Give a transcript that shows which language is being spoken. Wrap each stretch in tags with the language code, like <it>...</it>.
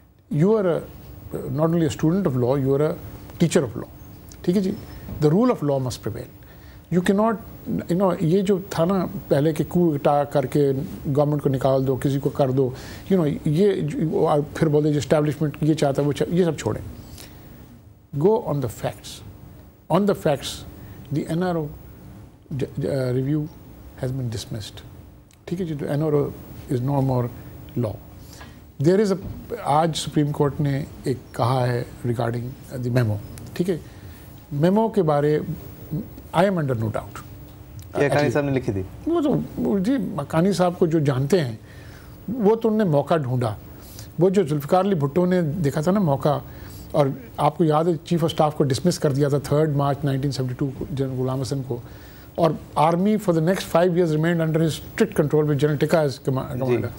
<en>You are not only a student of law, you are a teacher of law.</en> <hi>ठीक है जी,</hi> <en>the rule of law must prevail. You cannot, you know,</en> <hi>ये जो था ना पहले कि कू टा करके गवर्नमेंट को निकाल दो, किसी को कर दो, यू नो, ये फिर बोले जो establishment ये चाहता है वो, ये सब छोड़ें.</hi> <en>Go on the facts. On the facts, the NRO review has been dismissed.</en> <hi>ठीक है जी,</hi> <en>the NRO is no more law. There is a,</en> <hi>आज Supreme Court ने एक कहा है</hi> <en>regarding the memo.</en> <hi>ठीक है, memo के बारे</hi> <en>I am under no doubt.</en> <hi>क्या कानी साहब ने लिखी थी? वो तो जी कानी साहब को जो जानते हैं वो तो उन्होंने मौका ढूंढा. वो जो जुल्फिकार अली भुट्टो ने देखा था ना मौका, और आपको याद है चीफ ऑफ स्टाफ को डिसमिस कर दिया था 3 मार्च 1972 जनरल गुलाम हसन को, और</hi> <en>army for the next 5 years remained under his strict control with General Tikka as commander,</en>